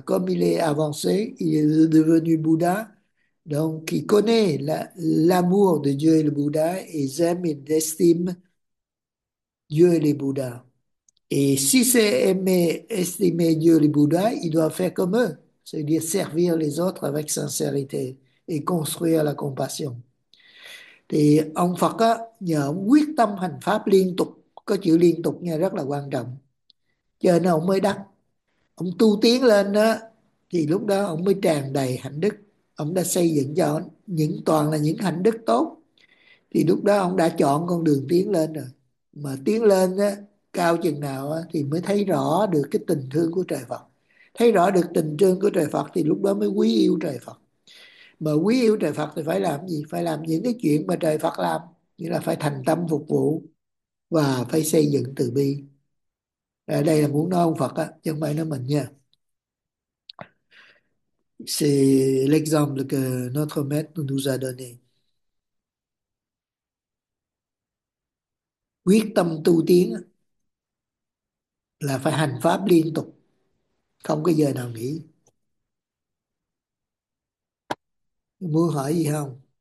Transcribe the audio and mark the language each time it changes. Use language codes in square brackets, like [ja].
[fr] Comme il est avancé, il est devenu Bouddha, donc il connaît l'amour de Dieu et le Bouddha et il aime et il estime Dieu et les Bouddhas. Et si c'est aimer, estimer Dieu et les Bouddhas, il doit faire comme eux, c'est-à-dire servir les autres avec sincérité et construire la compassion. [vi] Et ông Phật á, nhờ quyết tâm hành pháp liên tục. Có chữ liên tục nha, rất là quan trọng. Cho nên ông mới đắc. Ông tu tiến lên đó, thì lúc đó ông mới tràn đầy hạnh đức. Ông đã xây dựng cho những toàn là những hạnh đức tốt. Thì lúc đó ông đã chọn con đường tiến lên rồi. Mà tiến lên đó, cao chừng nào đó, thì mới thấy rõ được cái tình thương của trời Phật. Thấy rõ được tình thương của trời Phật thì lúc đó mới quý yêu trời Phật. Mà quý yêu trời Phật thì phải làm gì? Phải làm những cái chuyện mà trời Phật làm. Nghĩa là phải thành tâm phục vụ. Và phải xây dựng từ bi. Ở đây là muốn nói ông Phật á, chứ không phải nói mình nha. [fr] L'exemple que notre maître nous a donné. [vi] Quyết tâm tu tiến là phải hành pháp liên tục. không có giờ nào nghỉ. Muốn hỏi gì không?